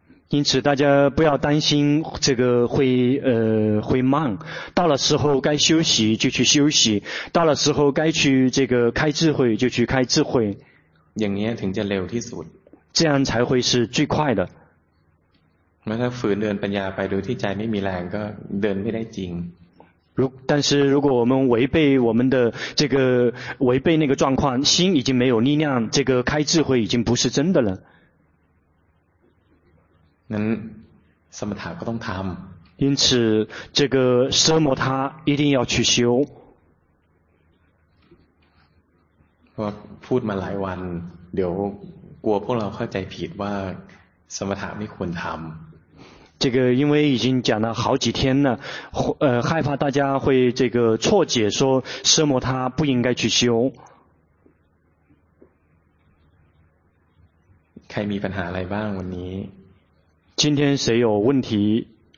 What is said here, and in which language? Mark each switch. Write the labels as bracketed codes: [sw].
[zh] 因此大家不要担心这个会慢到了时候该休息就去休息到了时候该去这个开智慧就去开智慧 [th] อย่างนี้ถึงจะเร็วที่สุด [zh] 这样才会是最快的 [th] แม้ถ้าฝืนเดินปัญญาไปโดยที่ใจไม่มีแรงก็เดินไม่ได้จริง [zh] 但是如果我们违背我们的这个违背那个状况心已经没有力量这个开智慧已经不是真的了 [th] นั้นสมถะก็ต้องทำ [zh] 因此这个奢摩他一定要去修 [th] ว่าพูดมาหลายวันเดี๋ยวกลัวพวกเราเข้าใจผิดว่าสมถะไม่ควรทำ [zh] 这个因为已经讲了好几天了害怕大家会这个错解说奢摩他不应该去修 [th] ใครมีปัญหาอะไรบ้างวันนี้ [zh] 今天谁有问题